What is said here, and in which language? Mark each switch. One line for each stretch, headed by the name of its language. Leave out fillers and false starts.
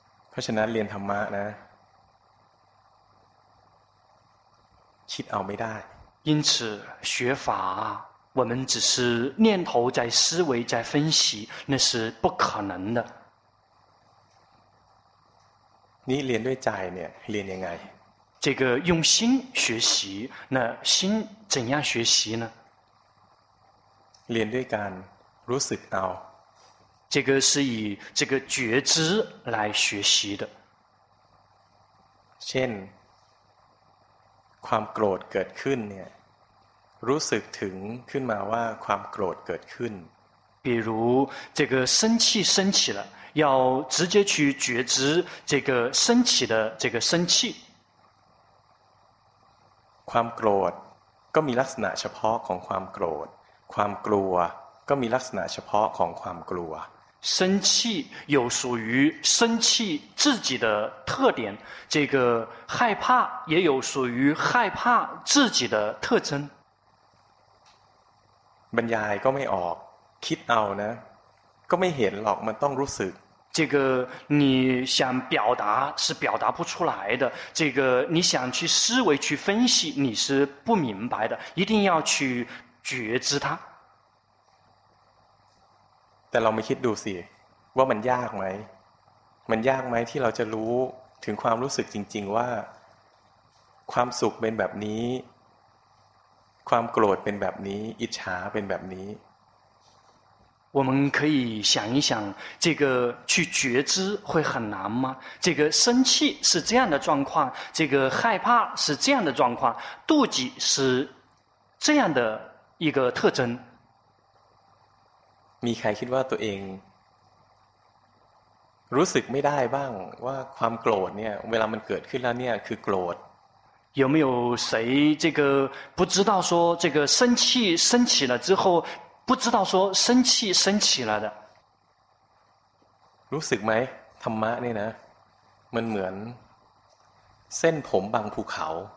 Thai: เพราะฉะนั้นเรียนธรรมะนะคิดเอาไม่ได้
Chinese: 因此学法我们只是念头在思维在分析那是不可能的
Thai: นี่เรียนด้วยใจเนี่ยเรียนยังไง
Chinese: 这个用心学习那心怎样学习呢
Thai: เรียนด้วยการรู้สึกเอา
Chinese: 这个是以这个觉知来学习的
Thai: เช่นความโกรธเกิดขึ้นเนี่ยรู้สึกถึงขึ้นมาว่าความโกรธเกิดขึ้น
Chinese: 比如这个生气升起了要直接去觉知这个升起的这个生气
Thai: ความโกรธก็มีลักษณะเฉพาะของความโกรธความกลัวก็มีลักษณะเฉพาะของความกลัว
Chinese: 生气有属于生气自己的特点这个害怕也有属于害怕自己的特征
Thai: บรรยายก็ไม่ออกคิดเอานะก็ไม่เห็นหรอกมันต้องรู้สึก
Chinese: 这个你想表达是表达不出来的这个你想去思维去分析你是不明白的一定要去觉知它
Thai: แต่เราไม่คิดดูสิว่ามันยากไหมมันยากไหมที่เราจะรู้ถึงความรู้สึกจริงๆว่าความสุขเป็นแบบนี้ความโกรธเป็นแบบนี้อิจฉาเป็นแบบนี้
Chinese: 我们可以想一想这个去觉知会很难吗这个生气是这样的状况这个害怕是这样的状况妒忌是这样的一个特征
Thai: มีใครคิดว่าตัวเองรู้สึกไม่ได้บ้างว่าความโกรธเนี่ยเวลามันเกิดขึ้นแล้วเนี่ยคือโกรธ
Chinese: 有没有谁这个不知道说这个生气升起了之后不知道说生气升起了的
Thai: รู้สึกไหมธรรมะนี่นะมันเหมือนเส้นผมบางภูเขา